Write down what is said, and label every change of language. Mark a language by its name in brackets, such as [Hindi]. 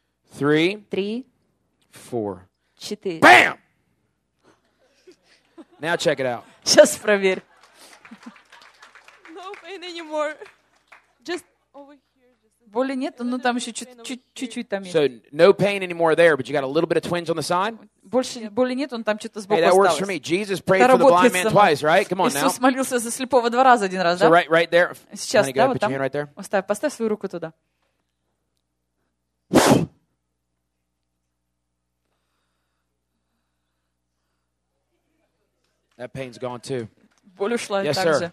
[English] Three. [Russian] Три. [English] Four. [Russian] Четыре. [English] Bam! Now check it out. [Russian] Сейчас проверь. [English] No pain anymore. Just over here. [Russian] Боли нету, но там еще чуть-чуть там есть. [English] So no pain anymore there, but you got a little bit of twinge on the side? [Russian] Больше боли нет, он там что-то сбоку осталось. [English] Hey, that works for me. Jesus prayed for the blind man twice, right? Come on now. [Russian] Иисус молился за слепого два раза один раз, да? [English] So right there. [Russian] Сейчас, да, вот там. [English] Right there. [Russian] Поставь свою руку туда. [English] That pain's gone too. [Russian] Боль ушла также.